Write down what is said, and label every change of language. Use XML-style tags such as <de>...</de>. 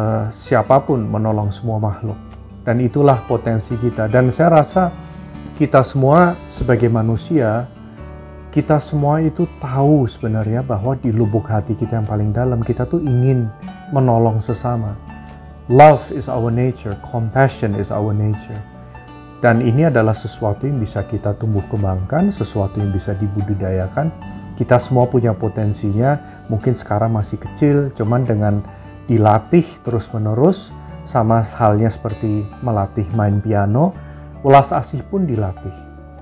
<id>siapapun menolong semua makhluk. Dan itulah potensi kita. Dan saya rasa kita semua sebagai manusia, kita semua itu tahu sebenarnya bahwa di lubuk hati kita yang paling dalam, kita tuh ingin menolong sesama.</id> <en>Love is our nature, compassion is our nature.</en> <id>Dan ini adalah sesuatu yang bisa kita tumbuh kembangkan, sesuatu yang bisa dibudidayakan. Kita semua punya potensinya, mungkin sekarang masih kecil, cuman dengan dilatih terus-menerus, sama halnya seperti melatih main piano, welas asih pun dilatih.</id>